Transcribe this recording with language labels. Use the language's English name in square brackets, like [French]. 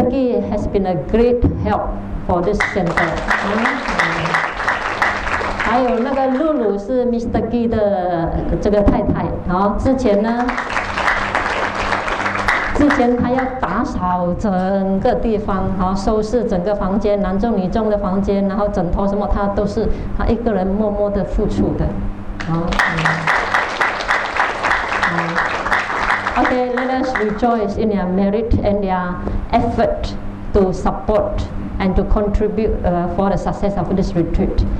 [English] Guy has been a great help for this center。 [Chinese] 还有那个露露是 Mr. Guy 的这个太太，好，之前呢，之前他要打扫整个地方，好，收拾整个房间，男众女众的房间，然后枕头什么，他都是他一个人默默的付出的，好。 [English] Okay, let us rejoice in their merit and their effort to support and to contribute for the success of this retreat.